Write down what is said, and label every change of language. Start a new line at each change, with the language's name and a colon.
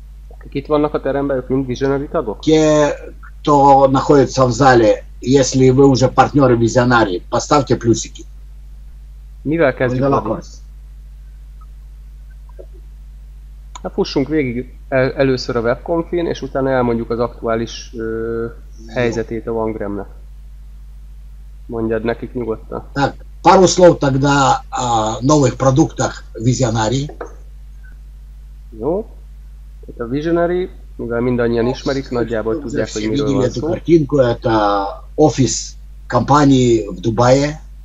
Hungarian: Akik itt vannak a teremben, ők mind visionári tagok?
Russian: Те, кто находится в зале, если вы уже партнеры визионари, поставьте плюсики.
Hungarian: Mivel kezdjük a dolgot? Hát fussunk végig először a webkonfin, és utána elmondjuk az aktuális helyzetét a Wangram-nek. Mondjad nekik nyugodtan.
Russian: Так, пару слов тогда о новых продуктах Visionary.
Hungarian: Jó. Это a Visionary, mivel mindannyian ismerik, nagyjából tudják, hogy miről van szó.
Russian: Картинку, это офис компании в Дубае.